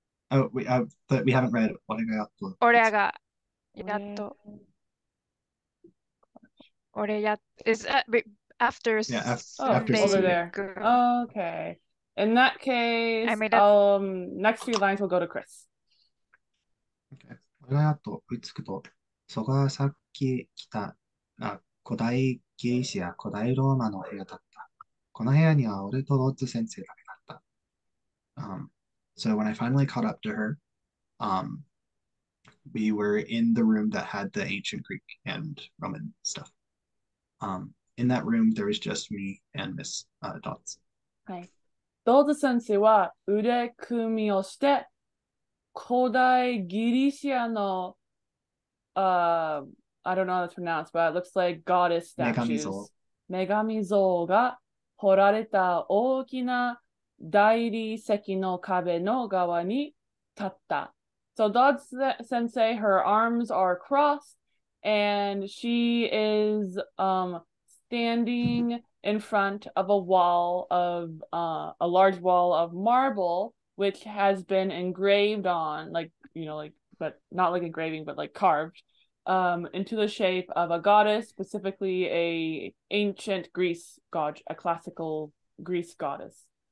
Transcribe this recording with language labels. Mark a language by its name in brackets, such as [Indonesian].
[English] Oh, we haven't read [Japanese] ore ga yatto. Ore ga yatto. Ore yatto. [English] Is that after? Yeah, after. Oh, over there. Okay. In that case, next few lines will go to Chris. Okay. [Japanese] これあと追いつくと、そこはさっき来た古代ギリシア、古代ローマの部屋だった。この部屋には俺とロッツ先生だけだった。 [English] So when I finally caught up to her, we were in the room that had the ancient Greek and Roman stuff. In that room, there was just me and Miss Dots. [Japanese] はい。ロッツ先生は腕組みをして、古代ギリシアの [English] I don't know how that's pronounced, but it looks like goddess statues. [Japanese] 女神像。女神像が彫られた大きな大理石の壁の側に立った。 [English] So Dodds Sensei, her arms are crossed, and she is standing in front of a wall of a large wall of marble, which has been engraved on, like, you know, like, but not like engraving, but like carved into the shape of a goddess, specifically a ancient Greece god, a classical Greece goddess.